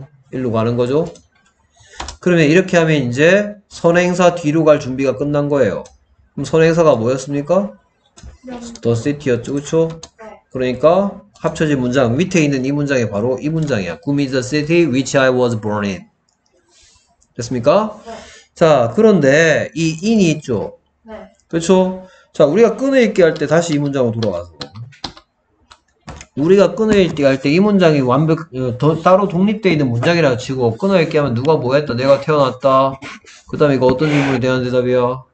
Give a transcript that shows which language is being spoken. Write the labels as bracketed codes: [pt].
[ko] 일로 가는 거죠. 그러면 이렇게 하면 이제 선행사 뒤로 갈 준비가 끝난 거예요. 그럼 선행사가 뭐였습니까? 더 시티였죠. 그쵸? 그러니까 합쳐진 문장 밑에 있는 이 문장이 바로 이 문장이야. [en] Gumi is the city which I was born in. [ko] 됐습니까? 자, 그런데 이 in이 있죠. 그쵸? 자, 우리가 끊어읽기 할때 다시 이 문장으로 돌아가서 우리가 끊어읽기 할때이 문장이 따로 독립되어 있는 문장이라고 치고 끊어읽기 하면 누가 뭐 했다? 내가 태어났다. 그 다음에 이거 어떤 질문에 대한 대답이야?